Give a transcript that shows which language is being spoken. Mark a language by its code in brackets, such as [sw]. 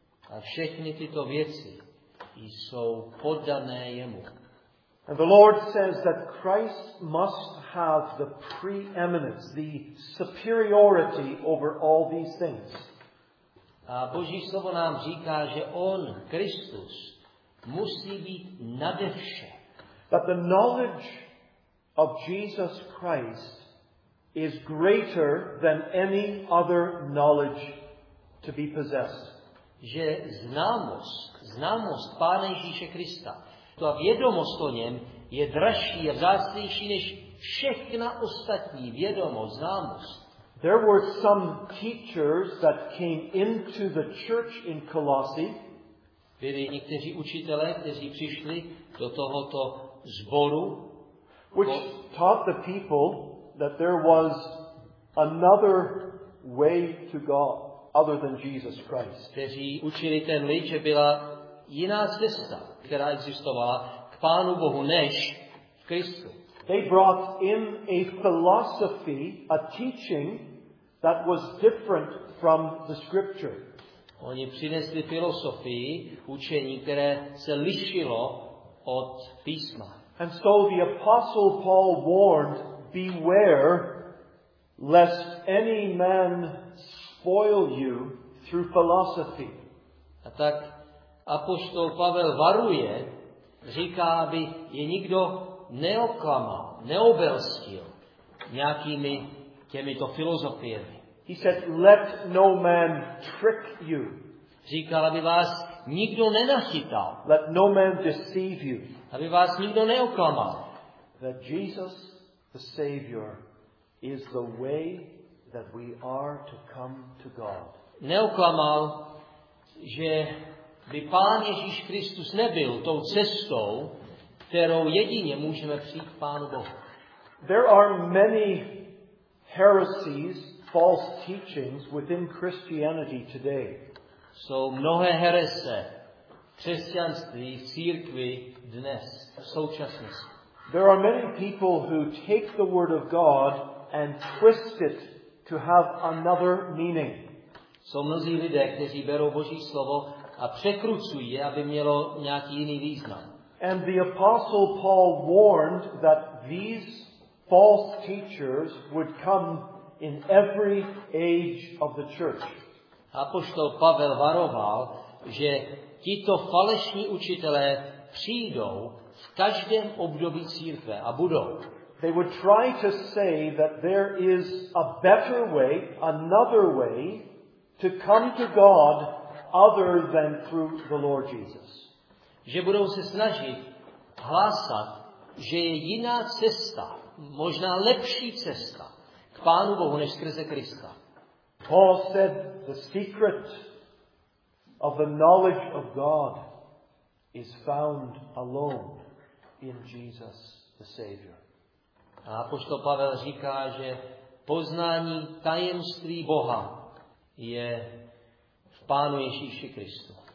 [cs] A všechny tyto věci jsou poddané jemu. [en] And the Lord says that Christ must have the preeminence, the superiority over all these things. [cs] A Boží slovo nám říká, že on, Kristus, musí být nade vše. [en] That the knowledge of Jesus Christ is greater than any other knowledge to be possessed. [cs] Že známost Pána Ježíše Krista, to a vědomost o něm je dražší a vzácnější než všechna ostatní vědomost, známost. [en] There were some teachers that came into the church in Colossae. [cs] Byli někteří učitelé, kteří přišli do tohoto zboru, [en] which taught the people that there was another way to God other than Jesus Christ. [cs] Kteří učili ten lid, že byla jiná cesta, která existovala k Pánu Bohu než v Kristu. [en] They brought in a philosophy, a teaching that was different from the scripture. [cs] Oni přinesli filozofii, učení, které se lišilo od písma. [en] And so the apostle Paul warned, beware lest any man spoil you through philosophy. [cs] A tak apoštol Pavel varuje, říká, aby je nikdo neoklamal, neobelstil nějakými těmito filozofiemi. [en] He said, let no man trick you. [cs] Říkal, aby vás nikdo nenachytal. [en] Let no man deceive you. [cs] Aby vás nikdo neoklamal. [en] That Jesus, the Savior, is the way that we are to come to God. [cs] Neoklamal, že by Pán Ježíš Kristus nebyl tou cestou, kterou jedině můžeme přijít k Pánu Bohu. [en] There are many heresies, false teachings within Christianity today. [cs] Jsou mnohé herese křesťanství v církvi dnes, v současnosti. [en] There are many people who take the word of God and twist it to have another meaning. [cs] Jsou mnozí lidé, kteří berou Boží slovo a překrucují je, aby mělo nějaký jiný význam. [en] And the apostle Paul warned that these false teachers would come in every age of the church. [cs] Apoštol Pavel varoval, že tito falešní učitelé přijdou v každém období církve a budou. [en] They would try to say that there is a better way, another way to come to God other than through the Lord Jesus. [cs] Že budou se snažit hlásat, že je jiná cesta, možná lepší cesta k Pánu Bohu než skrze Krista. [en] Paul said the secret of the knowledge of God is found alone in Jesus the Savior. [cs] A apoštol Pavel říká, že poznání tajemství Boha je v Pánu Ježíši Kristu.